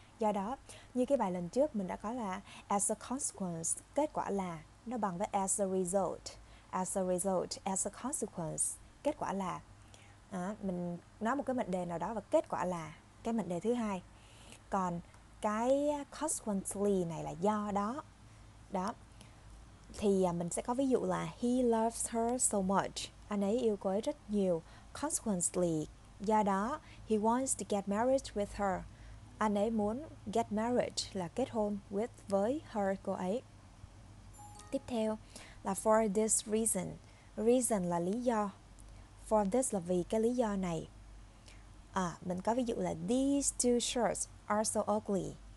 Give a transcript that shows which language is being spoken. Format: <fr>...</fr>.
<vi>Do đó, như cái bài lần trước mình đã có là</vi> <en>as a consequence,</en> <vi>kết quả là, nó bằng với as a consequence, kết quả là. Đó, mình nói một cái mệnh đề nào đó và kết quả là cái mệnh đề thứ hai. Còn cái consequently này là do đó. Đó. Thì mình sẽ có ví dụ là</vi> <en>he loves her so much.</en> <vi>Anh ấy yêu cô ấy rất nhiều.</vi> <en>Consequently,</en> <vi>do đó,</vi> <en>he wants to get married with her.</en> <vi>Anh ấy muốn</vi> <en>get married,</en> <vi>là kết hôn với</vi> <en>her,</en> <vi>cô ấy. Tiếp theo là</vi> <en>for this reason.</en> <vi>Reason là lý do.</vi> <en>For this</en> <vi>là vì cái lý do này. À, mình có ví dụ là</vi> <en>these two shirts are so ugly.</en>